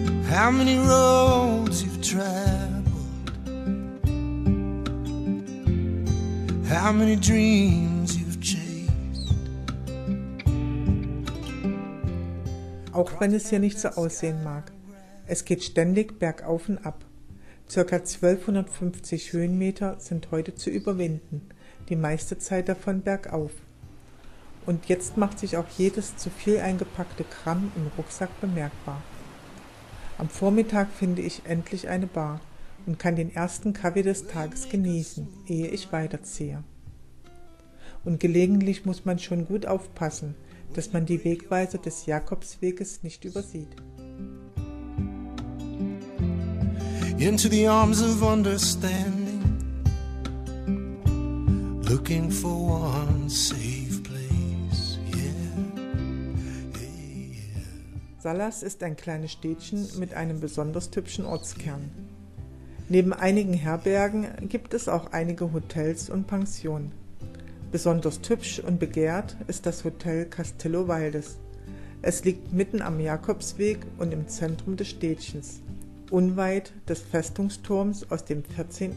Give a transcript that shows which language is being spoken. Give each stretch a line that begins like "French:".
English: How many roads you've traveled? How many dreams you've chased?
German: Auch wenn es hier nicht so aussehen mag, es geht ständig bergauf und ab. Circa 1250 Höhenmeter sind heute zu überwinden, die meiste Zeit davon bergauf. Und jetzt macht sich auch jedes zu viel eingepackte Gramm im Rucksack bemerkbar. Am Vormittag finde ich endlich eine Bar und kann den ersten Kaffee des Tages genießen, ehe ich weiterziehe. Und gelegentlich muss man schon gut aufpassen, dass man die Wegweiser des Jakobsweges nicht übersieht.
English: Into the arms of understanding, looking for one safe place, yeah.
German: Salas ist ein kleines Städtchen mit einem besonders hübschen Ortskern. Neben einigen Herbergen gibt es auch einige Hotels und Pensionen. Besonders hübsch und begehrt ist das Hotel Castillo Valdes. Es liegt mitten am Jakobsweg und im Zentrum des Städtchens, unweit des Festungsturms aus dem 14.